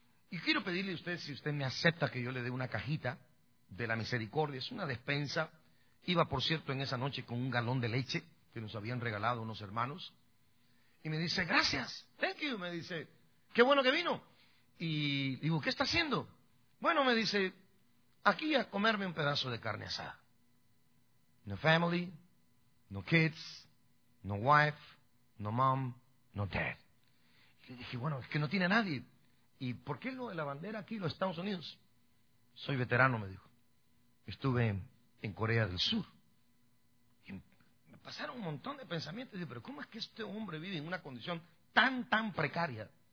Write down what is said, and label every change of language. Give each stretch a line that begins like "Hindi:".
Spanish: Y quiero pedirle a usted, si usted me acepta, que yo le dé una cajita de la misericordia. Es una despensa. Iba, por cierto, en esa noche con un galón de leche que nos habían regalado unos hermanos. Y me dice, gracias,
English: thank you,
Spanish: me dice, qué bueno que vino. Y digo, ¿qué está haciendo? Bueno, me dice, aquí a comerme un pedazo de carne asada.
English: No family, no kids, no wife, no mom, no dad.
Spanish: Y le dije, bueno, es que no tiene nadie. ¿Y por qué lo de la bandera aquí, los Estados Unidos? Soy veterano, me dijo. Estuve en Corea del Sur. Y me pasaron un montón de pensamientos. Dije, pero ¿cómo es que este hombre vive en una condición tan, tan precaria?